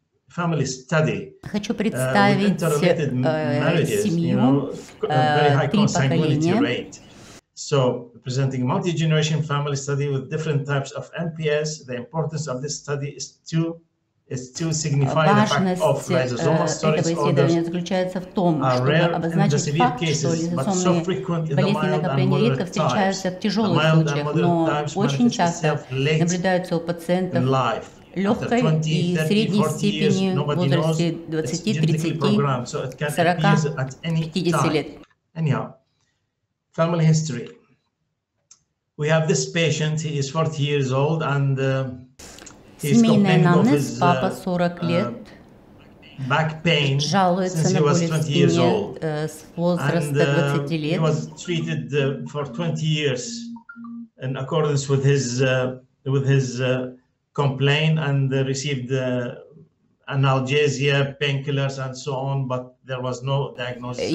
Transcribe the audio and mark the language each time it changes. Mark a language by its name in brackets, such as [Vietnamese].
[Russian] Хочу представить семью три поколения. [English] So, presenting a multi-generation family study with different types of MPS, the importance of this study is to signify the fact of lysosomal storage disorders are rare in the severe cases, but so frequent in the mild and moderate times, manifest itself late in life. [Russian] Легкой и средней степени в возрасте 20-30-40-50 лет. [English] Anyhow, family history. We have this patient, he is 40 years old and he's complaining of his back pain since he was 20 years old. And he was treated for 20 years in accordance with his complaint and received analgesia, painkillers and so on, but there was no diagnosis